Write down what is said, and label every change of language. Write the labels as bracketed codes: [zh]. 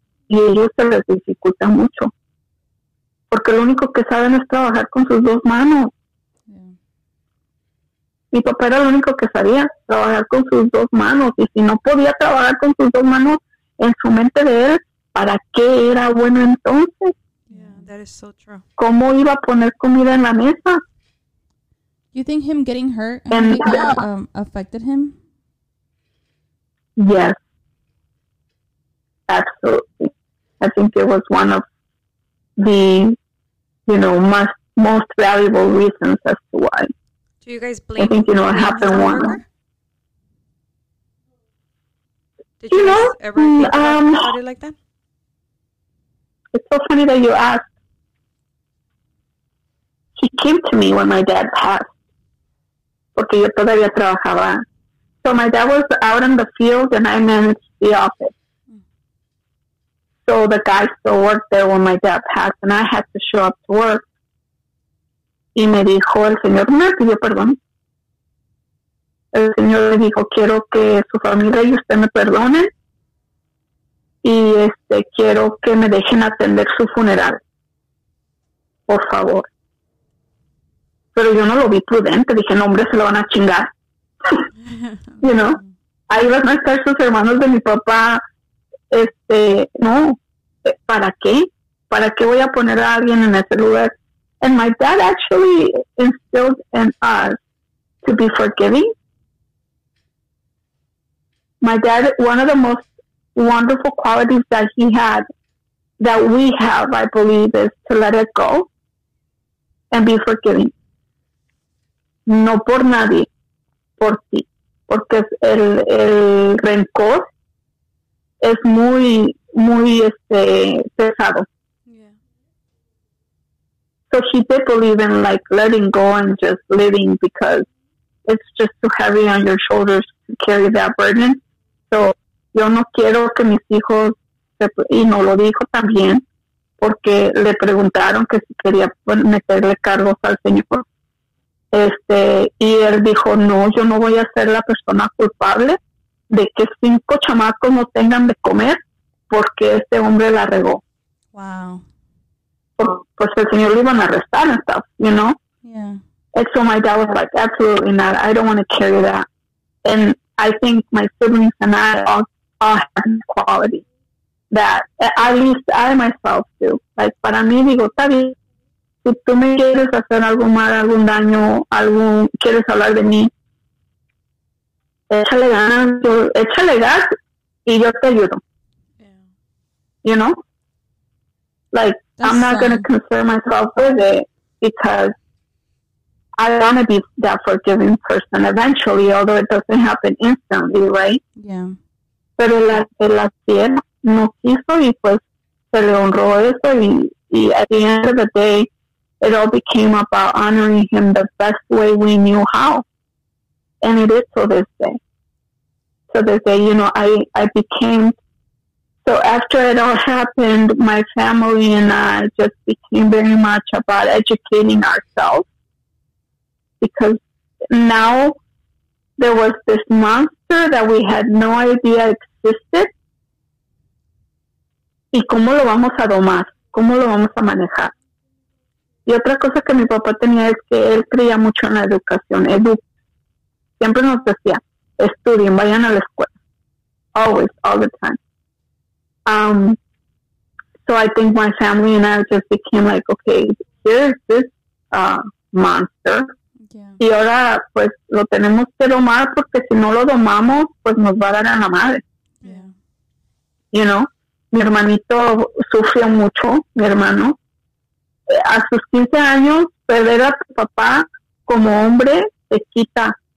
[es] Y ellos se les dificulta mucho. Porque lo único que saben es trabajar con sus dos manos. Yeah. Mi papá era lo único que sabía, trabajar con sus dos manos. Y si no podía trabajar con sus dos manos, en su mente de él, ¿para qué era bueno entonces? [en] Yeah, that is so true. [es] ¿Cómo iba a poner comida en la mesa? [en] You think him getting hurt and affected him? Yes. Absolutely. I think it was one of the, you know, most valuable reasons as to why. Do Do you guys blame? I think you know what happened. One. Did you know, guys ever think about it like that? It's so funny that you asked. He came to me when my dad passed. [es] Porque yo todavía trabajaba. [en] So my dad was out in the field and I managed the office. So the guy still worked there when my dad passed and I had to show up to work. [es] Y me dijo el señor, me pidió perdón. El señor le dijo, quiero que su familia y usted me perdone. Y quiero que me dejen atender su funeral. Por favor. Pero yo no lo vi prudente. Dije, no, hombre, se lo van a chingar. [en] You know? [es] Ahí van a estar sus hermanos de mi papá. No. ¿Para qué? ¿Para qué voy a poner a alguien en ese lugar? [en] And my dad actually instilled in us to be forgiving. My dad, one of the most wonderful qualities that he had, that we have, I believe, is to let it go and be forgiving. [es] No por nadie, por ti. Porque el rencor es muy, muy pesado. [en] So he did believe in like letting go and just living because it's just too heavy on your shoulders to carry that burden. [es] So yo no quiero que mis hijos, y no lo dijo también, porque le preguntaron que si quería meterle cargos al señor. Y él dijo, no, yo no voy a ser la persona culpable de que 5 chamacos no tengan de comer porque este hombre la regó. [en] Wow. [es] Pues el señor le iban a arrestar [en] and stuff, you know? Yeah. And so my dad was like, absolutely not. I don't want to carry that. And I think my siblings and I all have quality that at least I myself do. [es] Like, para mí digo, Tavi, si tú me quieres hacer algún mal, algún daño, algún, quieres hablar de mí, échale gas y yo te ayudo. [en] Yeah. You know? Like, that's I'm not going to concern myself with it because I want to be that forgiving person eventually, although it doesn't happen instantly, right? Yeah. [es] Pero la tierra no quiso y pues se le honró eso y [en] at the end of the day, it all became about honoring him the best way we knew how. And it is to this day. To this day, you know, I became... So after it all happened, my family and I just became very much about educating ourselves because now there was this monster that we had no idea existed. [es] ¿Y cómo lo vamos a domar? ¿Cómo lo vamos a manejar? Y otra cosa que mi papá tenía es que él creía mucho en la educación. Siempre nos decía, estudien, vayan a la escuela. [en] Always, all the time. So I think my family and I just became like, okay, here's this monster. Yeah. [es] Y ahora, pues, lo tenemos que domar porque si no lo domamos, pues nos va a dar a la madre. [en] Yeah. You know, [es] mi hermanito sufrió mucho, mi hermano. A sus 15 años, perder a tu papá como hombre te quita.